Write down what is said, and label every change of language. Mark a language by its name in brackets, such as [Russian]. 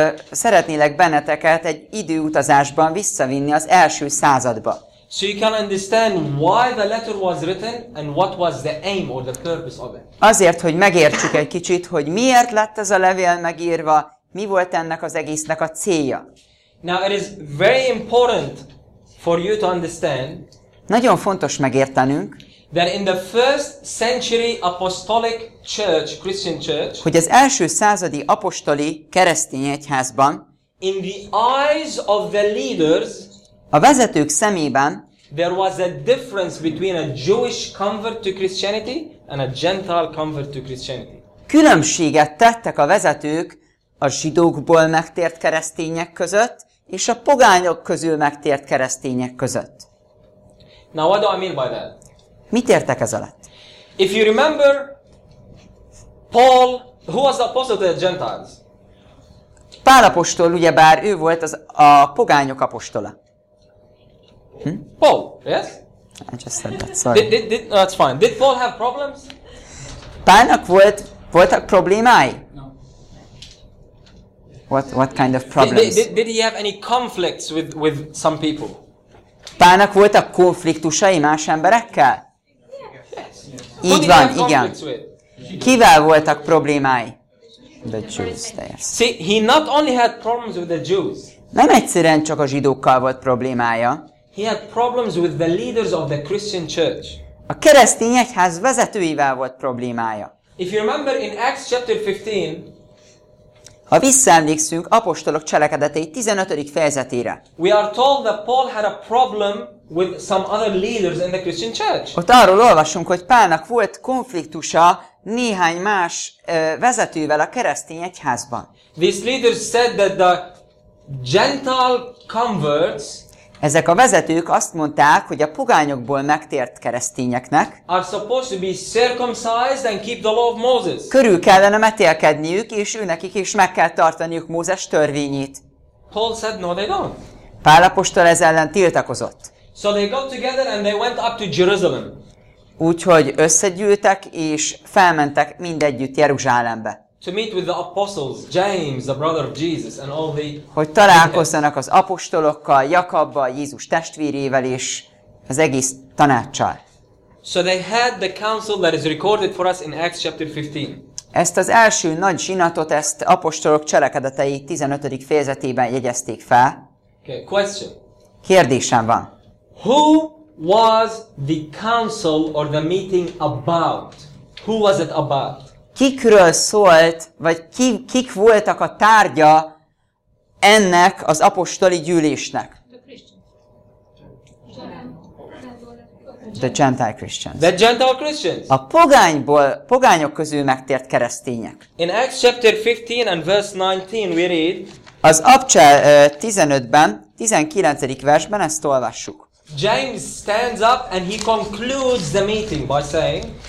[Hungarian] Szeretnélek benneteket egy időutazásban visszavinni az első századba. [English] So you can understand why the letter was written and what was the aim or the purpose of it. [Hungarian] Azért, hogy megértsük egy kicsit, hogy miért lett ez a levél megírva, mi volt ennek az egésznek a célja. [English] Now it is very important for you to understand. [Hungarian] Nagyon fontos megértenünk. [English] That in the first century apostolic church, Christian church, [Hungarian] hogy az első századi apostoli keresztény egyházban, [English] in the eyes of the leaders, [Hungarian] a vezetők szemében, [English] there was a difference between a Jewish convert to Christianity and a Gentile convert to Christianity. [Hungarian] Különbséget tettek a vezetők a zsidókból megtért keresztények között és a pogányok közül megtért keresztények között. [English] Now what do I mean by that? [Hungarian] Mit értek ez alatt? [English] If you remember, Paul, who was the apostle to the Gentiles? [Hungarian] Pál apostol, ugyebár ő volt a pogányok apostola. [English] Paul, yes? I just said that, sorry. That's fine. Did Paul have problems? [Hungarian] Pálnak voltak problémái? [English] No. What kind of problems? Did he have any conflicts with some people? [Hungarian] Pálnak voltak konfliktusai más emberekkel? Így van, igen. Kivel voltak problémái? [English] The Jews, there. See, he not only had problems with the Jews. [Hungarian] Nem egyszerűen csak a zsidókkal volt problémája. [English] He had problems with the leaders of the Christian church. [Hungarian] A keresztény egyház vezetőivel volt problémája. [English] If you remember in Acts chapter 15, [Hungarian] ha visszaemlékszünk apostolok cselekedetei 15. fejezetére. [English] We are told that Paul had a problem with some other leaders in the Christian church. [Hungarian] Ott arról olvasunk, hogy Pálnak volt konfliktusa néhány más vezetővel a keresztény egyházban. [English] These leaders said that the Gentile converts, [Hungarian] ezek a vezetők azt mondták, hogy a pogányokból megtért keresztényeknek [English] are supposed to be circumcised and keep the law of Moses. [Hungarian] Körül kellene metélkedniük, és őnekik is meg kell tartaniuk Mózes törvényét. [English] Paul said no, they don't. [Hungarian] Pál apostol ez ellen tiltakozott. [English] So they got together and they went up to Jerusalem. [Hungarian] Úgyhogy összegyűltek és felmentek mindegyütt Jeruzsálembe. [English] To meet with the apostles James, the brother of Jesus, and all the. [Hungarian] Hogy találkozzanak az apostolokkal, Jakabbal, Jézus testvérével és az egész tanáccsal. [English] So they had the council that is recorded for us in Acts chapter 15. [Hungarian] Ezt az első nagy zsinatot, ezt apostolok cselekedetei 15. fejezetében jegyezték fel. [English] Okay, question. [Hungarian] Kérdésem van. [English] Who was the council or the meeting about? Who was it about? [Hungarian] Kikről szólt, vagy kik voltak a tárgya ennek az apostoli gyűlésnek? [English] The Gentile Christians. [Hungarian] A pogányok közül megtért keresztények. [English] In Acts chapter 15 and verse 19 we read. [Hungarian] Az Abcsel 15-ben, 19. versben ezt olvassuk. [English] James stands up and he concludes the meeting by saying.